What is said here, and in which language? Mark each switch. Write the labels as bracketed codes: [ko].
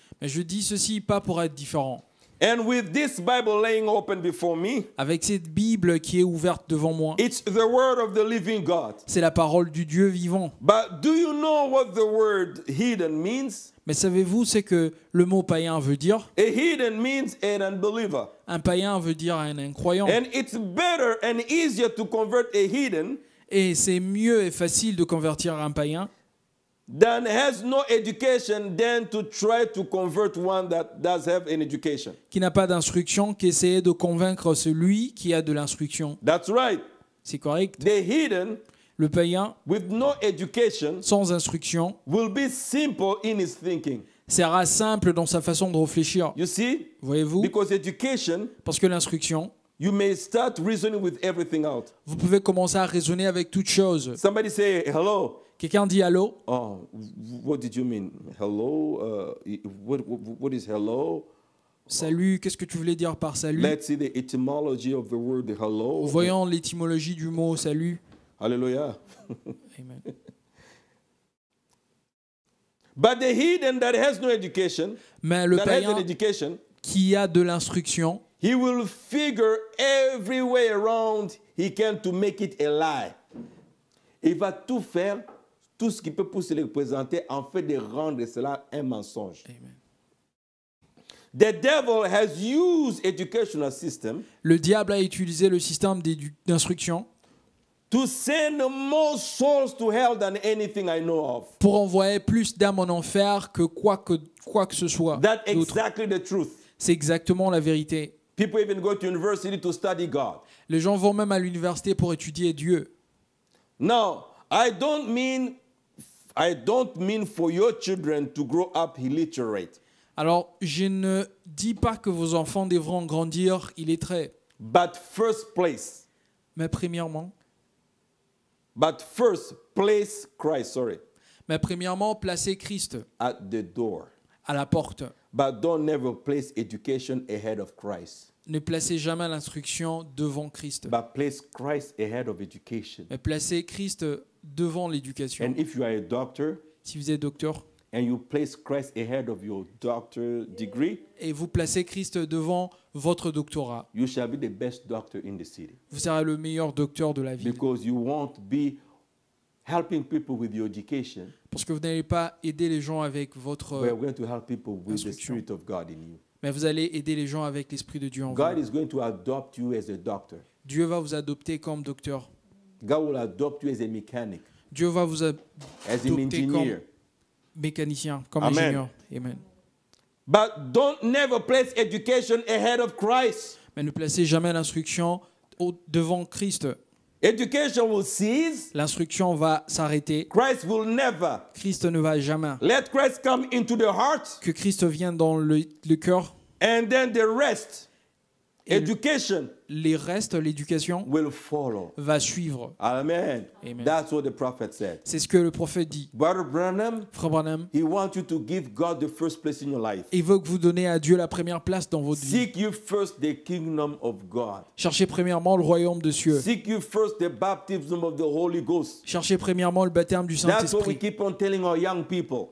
[fr] Mais je dis ceci pas pour être différent. [en] And with this Bible laying open before me. [fr] Avec cette Bible qui est ouverte devant moi. [en] It's the word of the living God. [fr] C'est la parole du Dieu vivant. [en] But do you know what the word hidden means? [fr] Mais savez-vous ce que le mot païen veut dire? [en] A heathen means an unbeliever. [fr] Un païen veut dire un incroyant. [en] And it's better and easier to convert a heathen. [fr] Et c'est mieux et facile de convertir un païen. [en] Than has no education than to try to convert one that does have an education. [fr] Qui n'a pas d'instruction qu'essayer de convaincre celui qui a de l'instruction. [en] That's right. [fr] C'est correct. [en] The heathen. [fr] Le païen, [en] with no education, [fr] sans instruction, [en] will be simple in his thinking. [fr] Sera simple dans sa façon de réfléchir. [en] You see, [fr] voyez-vous, [en] because education, [fr] parce que l'instruction, [en] you may start reasoning with everything out. [fr] Vous pouvez commencer à raisonner avec toute chose. [en] Somebody say hello. [fr] Quelqu'un dit hello. [en] Oh, what did you mean? Hello. What is hello? [fr] Salut, qu'est-ce que tu voulais dire par salut? [en] Let's see the etymology of the word hello. [fr] Voyons l'étymologie du mot salut. Hallelujah. Amen. [en] But the heathen that has no education, [fr] mais le [en] that [fr] païen [en] has an education, [fr] qui a de l'instruction, [en] he will figure every way around he can to make it a lie. [fr] Il va tout faire, tout ce qu'il peut pour se le présenter en fait de rendre cela un mensonge. Amen. [en] The devil has used educational system. [fr] Le diable a utilisé le système d'instruction. [en] To send more souls to hell than anything I know of. [fr] Pour envoyer plus d'âmes en enfer que quoi que ce soit. [en] That's exactly the truth. [fr] C'est exactement la vérité. [en] People even go to university to study God. [fr] Les gens vont même à l'université pour étudier Dieu. [en] Now, I don't mean I don't mean for your children to grow up illiterate. [fr] Alors, je ne dis pas que vos enfants devront grandir illettrés. [en] But first place. [fr] Mais premièrement. [en] But first place Christ, sorry. [fr] Mais premièrement, placez Christ [en] at the door. [fr] À la porte. [en] But don't never place education ahead of Christ. [fr] Ne placez jamais l'instruction devant Christ. [en] But place Christ ahead of education. [fr] Mais placez Christ devant l'éducation. [en] And if you are a doctor, [fr] si vous êtes docteur, [en] and you place Christ ahead of your doctor degree, [fr] et vous placez Christ devant votre doctorat, [en] you shall be the best doctor in the city. [fr] Vous serez le meilleur docteur de la ville. [en] Because you won't be helping people with your education. [fr] Parce que vous n'allez pas aider les gens avec votre instruction. [en] We are going to help people with the spirit of God in you. [fr] Mais vous allez aider les gens avec l'esprit de Dieu en [en] God [fr] vous. [en] God is going to adopt you as a doctor. [fr] Dieu va vous adopter comme docteur. [en] God will adopt you as a mechanic. [fr] Dieu va vous adopter comme mécanicien, comme Amen. Ingénieur. Amen. [en] But don't never place education ahead of Christ. [fr] Mais ne placez jamais l'instruction devant Christ. [en] Education will cease. [fr] L'instruction va s'arrêter. [en] Christ will never. [fr] Christ ne va jamais. [en] Let Christ come into the heart. [fr] Que Christ vienne dans le cœur. [en] And then the rest. Education. [fr] Les restes, l'éducation [en] will follow. [fr] Va suivre. Amen. Amen. [en] That's what the prophet said. [fr] C'est ce que le prophète dit. [en] Brother Branham, [fr] Frère Branham, [en] he wants you to give God the first place in your life. [fr] Il veut que vous donniez à Dieu la première place dans votre [en] Seek [fr] vie. [en] You first the kingdom of God. [fr] Cherchez premièrement le royaume de Dieu. [en] Seek you first the baptism of the Holy Ghost. [fr] Cherchez premièrement le baptême du Saint-Esprit. [en] That's what we keep on telling our young people.